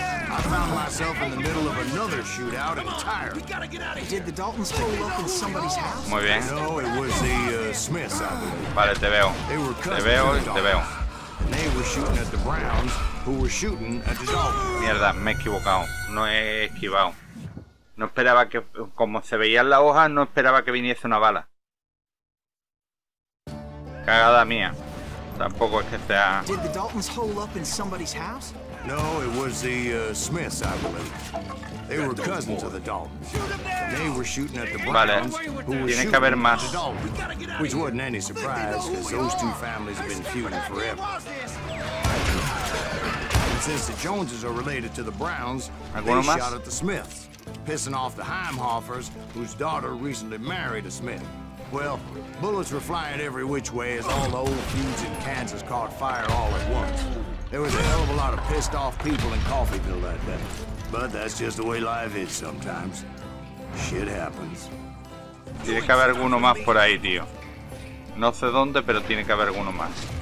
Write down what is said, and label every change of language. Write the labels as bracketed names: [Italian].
[English] I found myself in the middle of another shootout entirely. We gotta get out of here. Did the Daltons pull up in somebody's house? [Spanish] Muy bien. [English] No, it was the Smiths. [Spanish] Vale, te veo. Te veo. [English] And they were shooting at the Browns, who were shooting at the Daltons. [Spanish] Mierda, me he equivocado. No he esquivado. No esperaba que, como se veía en la hoja, no esperaba que viniese una bala. Cagada mía. Tampoco es que sea. [English] Did the Daltons hole up in somebody's house? No, it was the Smiths, I believe. They were cousins of the Daltons. They were shooting at the Browns, who were shooting at the Daltons. Which wasn't any surprise, because those two families have been feuding forever. And since the Joneses are related to the Browns, they shot at the Smiths, pissing off the Heimhoffers, whose daughter recently married a Smith. Well, bullets were flying every which way as all the old feuds in Kansas caught fire all at once. There was a hell of a lot of pissed off people in Coffeeville that day. But that's just the way life is sometimes. Shit happens. [Spanish] Tiene que haber alguno más por ahí, tío. No sé dónde, pero tiene que haber alguno más.